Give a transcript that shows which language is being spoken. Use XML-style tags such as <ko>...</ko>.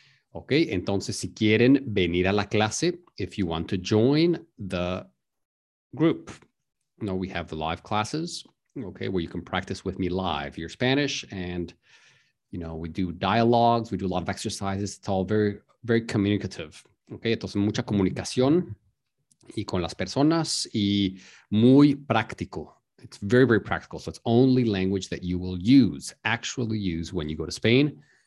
<es>Ok, entonces si quieren venir a la clase,</es> <en>if you want to join the group, now we have the live classes, okay, where you can practice with me live your Spanish and, you know, we do dialogues, we do a lot of exercises, it's all very, very communicative.</en> <es>Ok, entonces mucha comunicación y con las personas y muy práctico.</es> <en>It's very, very practical. So it's only language that you will use, actually use when you go to Spain.</en>